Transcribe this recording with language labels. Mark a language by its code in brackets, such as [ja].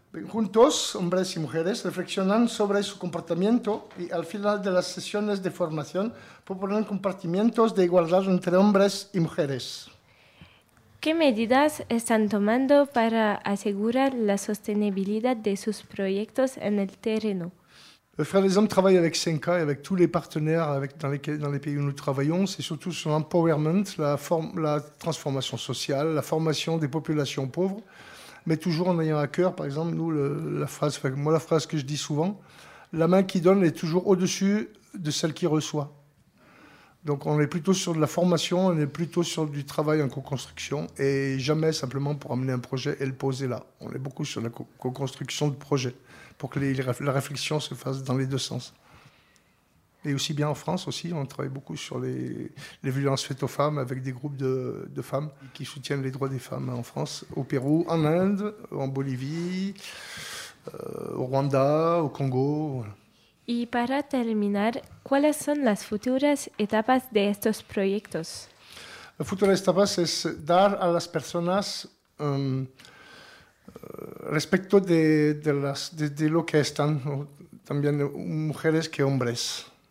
[es] Juntos, hombres y mujeres, reflexionan sobre su comportamiento y al final de las sesiones de formación proponen compartimientos de igualdad entre hombres y mujeres. ¿Qué medidas están tomando para asegurar la sostenibilidad de sus proyectos en el terreno? [fr] Le Frère des Hommes travaille avec Senka et avec tous les partenaires avec, dans, lesquels, dans les pays où nous travaillons. C'est surtout son empowerment, la transformation sociale, la formation des populations pauvres. Mais toujours en ayant à cœur, par exemple, nous, la phrase que je dis souvent, la main qui donne est toujours au-dessus de celle qui reçoit. Donc on est plutôt sur de la formation, on est plutôt sur du travail en co-construction et jamais simplement pour amener un projet et le poser là. On est beaucoup sur la co-construction de projets. Pour que la réflexion se fasse dans les deux sens. Et aussi bien en France aussi, on travaille beaucoup sur les violences faites aux femmes avec des groupes de femmes qui soutiennent les droits des femmes en France, au Pérou, en Inde, en Bolivie, au Rwanda, au Congo. [es] Y para terminar, ¿cuáles son las futuras etapas de estos proyectos? La futura etapa es dar a las personas respecto de lo que están, ¿no? También mujeres que hombres.